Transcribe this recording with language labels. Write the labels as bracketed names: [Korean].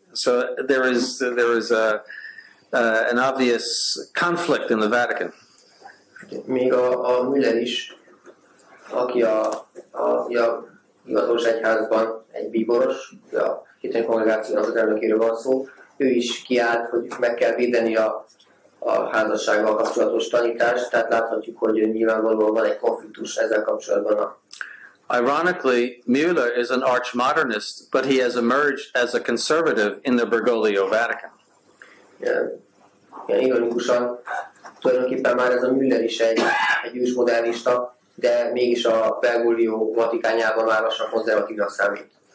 [English] So there is an obvious conflict in the Vatican. [Hungarian] Még a Müller is, aki a hivatalos egyházban egy bíboros, a hitvány kongregációnak az elnökéről van szó, ő is kiállt, hogy meg kell védeni a házassággal kapcsolatos tanítás, tehát láthatjuk, hogy nyilvánvalóan van egy konfliktus ezzel kapcsolatban. [English] Ironically, Müller is an arch-modernist, but he has emerged as a conservative in the Bergoglio Vatican. [Hungarian] Igen, ironikusan, tulajdonképpen már ez a Müller is egy ősmodernista, de mégis a Bergoglio Vatikánjában már lassan konzervatívnak számít.